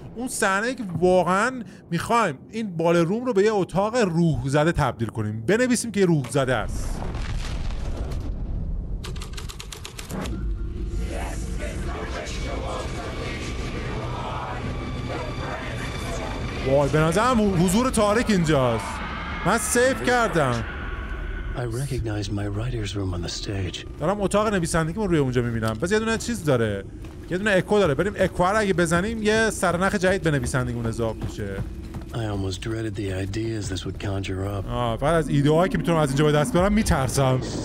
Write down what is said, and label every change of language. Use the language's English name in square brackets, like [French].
[Persian] اون صحنه که واقعا میخوایم این بالروم رو به یه اتاق روح زده تبدیل کنیم، بنویسیم که روح زده است. وای به نظرم حضور تارک اینجاست. من سیف کردم. [English] I recognize my writer's room on the stage. [Persian] دارم اتاق نویسندگی رو روی اونجا میبینم. بس یه دونه چیز داره. یه دونه اکو داره. بریم اکو رو اگه بزنیم یه سرنخ جدید به نویسندگیمون اضافه میشه. [English] I almost dreaded the ideas this would conjure up. [Persian] بعد از ایده‌هایی که میتونم از اینجا به دست بیارم میترسم.